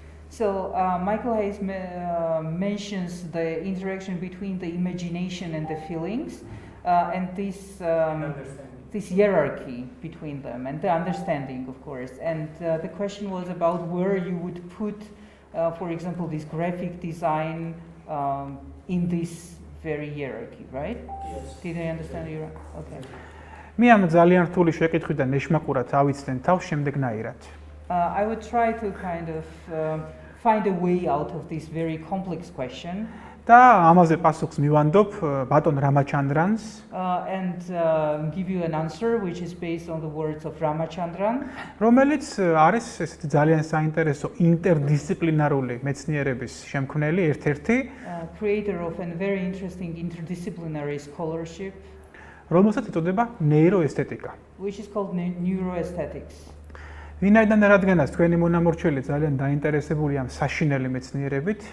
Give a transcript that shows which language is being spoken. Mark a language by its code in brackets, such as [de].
[en] So Michael Hayes mentions the interaction between the imagination and the feelings and this this hierarchy between them and the understanding of course. And the question was about where you would put for example this graphic design in this very hierarchy, right? Yes. Did I understand you right? Okay. [ka] მე ამ ძალიან რთული შეკითხვიდან ნეშმაკურად ავიცნენ თავს შემდეგნაირად. [en] I would try to kind of find a way out of this very complex question. [ka] Და ამაზე პასუხს მივანდობ ბატონ რამაჩანდრანს. [en] And give you an answer which is based on the words of Ramachandran. [ka] რომელიც არის ესეთი ძალიან საინტერესო ინტერდისციპლინარული მეცნიერების შემქმნელი ერთ-ერთი. [en] Creator of a very interesting interdisciplinary scholarship. [ka] რომელსაც ეწოდება ნეიროესთეტიკა. [en] Which is called neuroaesthetics. [ka] ვინაიდან რადგანაც თქვენი მონამორჩილი ძალიან დაინტერესებული ამ საშინელი მეცნიერებით.